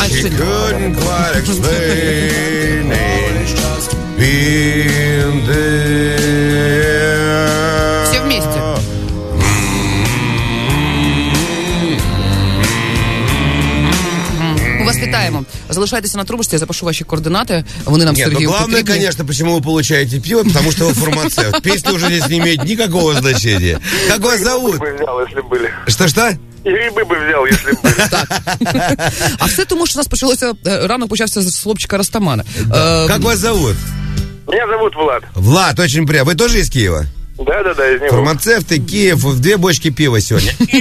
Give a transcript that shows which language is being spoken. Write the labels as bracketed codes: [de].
[ru] Все вместе. [uk] Вітаємо. Залишайтеся на трубочці, я запишу ваші координати. Вони нам з Сергієм потрібні. [ru] Главное, конечно, почему вы получаете пиво, потому что вы фармацевт. Песня уже здесь не имеет никакого значения. Как вас зовут? Я бы взял, если бы были. Что-что? [uk] І риби би взяв, якщо б. Так. А все тому, що у нас почалося, ранок почався з хлопчика Растамана. Як вас зовут? Мене зовут Влад. Влад, дуже приємно. Ви теж із Києва? Да-да-да, із нього. Фармацевти, Київ, дві бочки пива сьогодні.